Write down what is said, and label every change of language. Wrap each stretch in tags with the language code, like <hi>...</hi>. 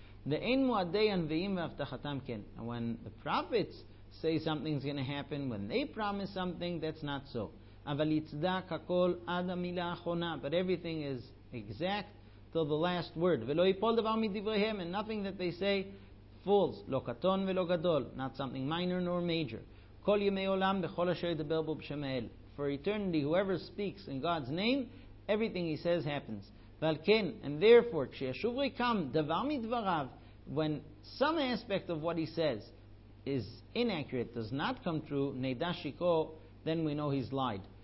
<he>ואין מועדי הנביאים והבטחתם כן.</he> <en>And when the prophets say something's going to happen, when they promise something, that's not so.</en> <he>אבל יצדק הכל עד המילה האחרונה,</he> <en>but everything is exact till the last word.</en> <he>ולא יפול דבר מדבריהם,</he> <en>and nothing that they say falls.</en> <he>לא קטון ולא גדול,</he> <en>not something minor nor major.</en> <he>כל ימי עולם בכל אשר ידבר בו בשם האל.</he> <en>For eternity, whoever speaks in God's name, everything he says happens.</en> <he>Valken,</he> <en>and therefore,</en> <he>Kshiyashuvri kam, davar midvarav,</he> <en>when some aspect of what he says is inaccurate, does not come true,</en> <he>neidashiko,</he> <en>then we know he's lied.</en>